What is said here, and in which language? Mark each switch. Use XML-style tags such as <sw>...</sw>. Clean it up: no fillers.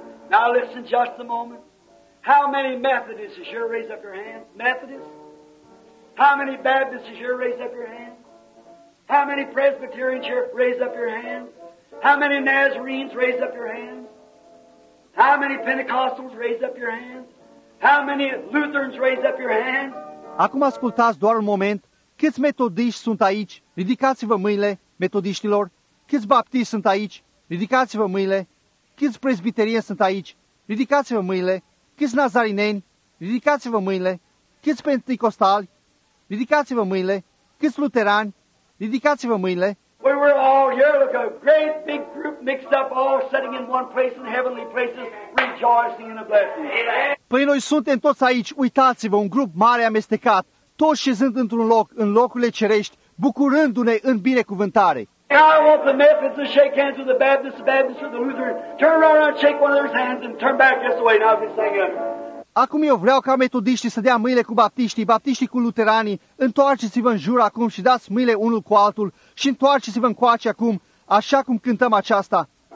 <en>Now listen just a moment. How many Methodists is your raise up your hand? Methodists? How many Baptists is your raise up your hand? How many Presbyterians here raise up your hand? How many Nazarenes raise up your hand? How many Pentecostals raise up your hand? How many Lutherans raise up your hand?</en> <ro>Acum ascultați doar un moment. Câți metodiști sunt aici? Ridicați-vă mâinile, metodiștilor. Câți baptiști sunt aici? Ridicați-vă mâinile. Câți presbiterieni sunt aici? Ridicați-vă mâinile. Câți nazarineni? Ridicați-vă mâinile. Câți pentecostali? Ridicați-vă mâinile. Câți luterani? Ridicați-vă mâinile.</ro> <en>We were all here, look, a great big group mixed up, all sitting in one place in heavenly places, rejoicing in a blessing.</en> <ro>Păi noi suntem toți aici, uitați-vă, un grup mare amestecat, toți șezând într-un loc, în locurile cerești, bucurându-ne în binecuvântare.</ro> <en>I want the Methodists to shake hands with the Baptists with the Lutherans. Turn around and shake one of their hands and turn back this way. Now I'll be singing.</en> <ro>Acum eu vreau ca metodiștii să dea mâinile cu baptiștii, baptiștii cu luteranii, întoarceți-vă în jur acum și dați mâinile unul cu altul și întoarceți-vă încoace acum, așa cum cântăm aceasta.</ro>